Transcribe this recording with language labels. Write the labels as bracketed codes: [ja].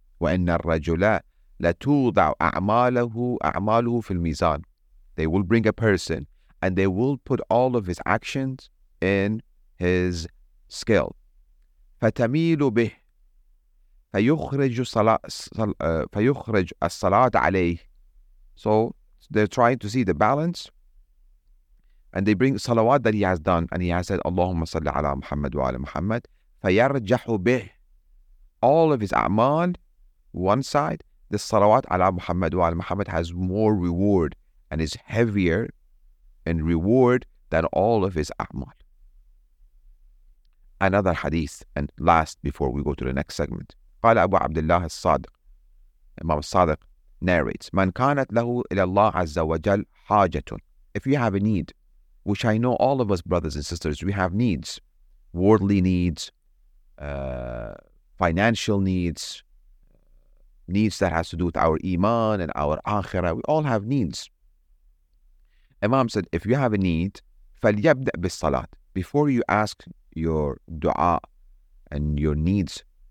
[ar] وإن الرجل لتوضع أعماله في الميزان. [en] They will bring a person and they will put all of his actions in his scale. [ar] فتميل به فيخرج الصلاة عليه. [en] So they're trying to see the balance and they bring salawat that he has done and he has said Allahumma salli ala Muhammad wa ala Muhammad. [ar] فيرجح به. [en] All of his أعمال, one side, the salawat ala Muhammad wa ala Muhammad has more reward and is heavier in reward than all of his a'mal. Another hadith, and last before we go to the next segment. [ar] قال أبو عبد الله الصادق. [en] Imam al-Sadiq narrates, [ar] من كانت له إلى الله عز وجل حاجة. [en] If you have a need, which I know all of us brothers and sisters, we have needs, worldly needs, financial needs, needs that has to do with our iman and our akhirah. We all have needs. Imam said, if you have a need, [ar] فَلْيَبْدَأْ بِالصَّلَاةِ. [en] Before you ask your dua and your needs